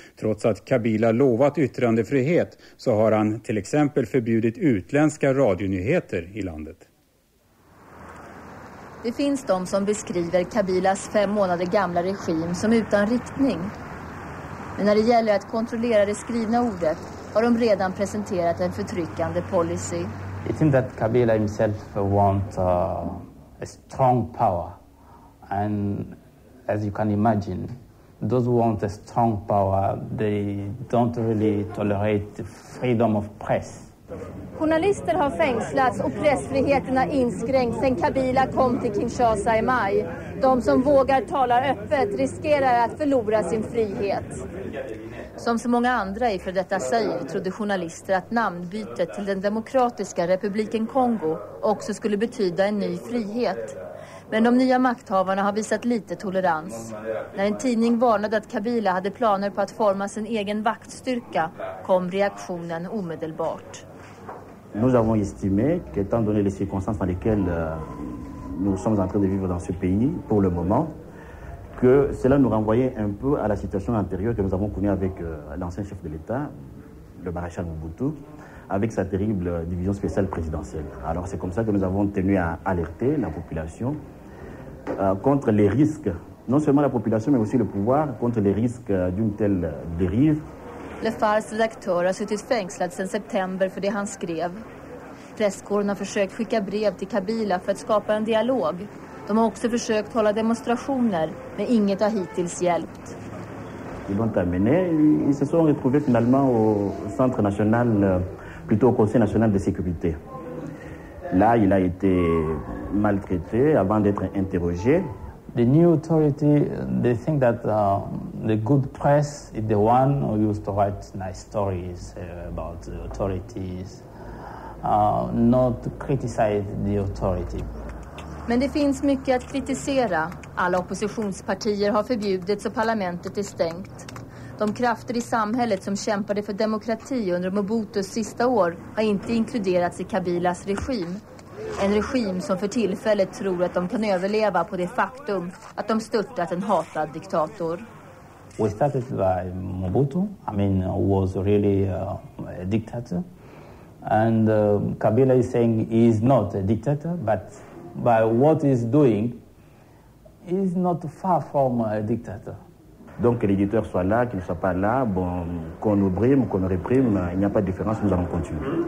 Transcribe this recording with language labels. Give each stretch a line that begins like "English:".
Swedish: Trots att Kabila lovat yttrandefrihet så har han till exempel förbjudit utländska radionyheter i landet. Det finns de som beskriver Kabilas 5 månader gamla regim som utan riktning. Men när det gäller att kontrollera det skrivna ordet har de redan presenterat en förtryckande policy.
English: It seems that Kabila himself wants a strong power. And as you can imagine, those who want a strong power, they don't really tolerate freedom of press.
Swedish: Journalister har fängslats och pressfriheten har inskränkts sedan Kabila kom till Kinshasa i maj. De som vågar tala öppet riskerar att förlora sin frihet. Som så många andra i för detta säger trodde journalister att namnbytet till den demokratiska republiken Kongo också skulle betyda en ny frihet. Men de nya makthavarna har visat lite tolerans. När en tidning varnade att Kabila hade planer på att forma sin egen vaktstyrka kom reaktionen omedelbart.
French: Nous avons estimé qu'étant donné les circonstances dans lesquelles nous sommes en train de vivre dans ce pays pour le moment que cela nous renvoyait un peu à la situation antérieure que nous avons connue avec l'ancien chef de l'État, le maréchal Mobutu. avec sa terrible division spéciale présidentielle. Alors c'est comme ça que nous avons tenu à alerter la population contre les risques, non seulement la population mais aussi le pouvoir, contre les risques d'une telle dérive.
Swedish: Le falsk redaktör har suttit fängslad sedan september för det han skrev. Presskåren har försökt skicka brev till Kabila för att skapa en dialog. De har också försökt hålla demonstrationer, men inget har hittills hjälpt.
French: Ils l'ont amené, ils se sont retrouvés finalement au centre national, plutôt au Conseil national de sécurité. Là, il a été maltraité avant d'être interrogé.
English: The new authority, they think that the good press is the one who used to write nice stories about the authorities, not criticize the authority.
Swedish: Men det finns mycket att kritisera. Alla oppositionspartier har förbjudits och parlamentet är stängt. De krafter i samhället som kämpade för demokrati under Mobutus sista år har inte inkluderats i Kabilas regim. En regim som för tillfället tror att de kan överleva på det faktum att de störtat en hatad diktator.
English: We started by Mobutu, I mean, who was really a dictator. And Kabila is saying he is not a dictator, but by what he's doing, he's not far from a dictator.
French: Donc que l'éditeur soit là, qu'il ne soit pas là, bon, qu'on nous brime, qu'on nous réprime, il n'y a pas de différence, nous allons continuer.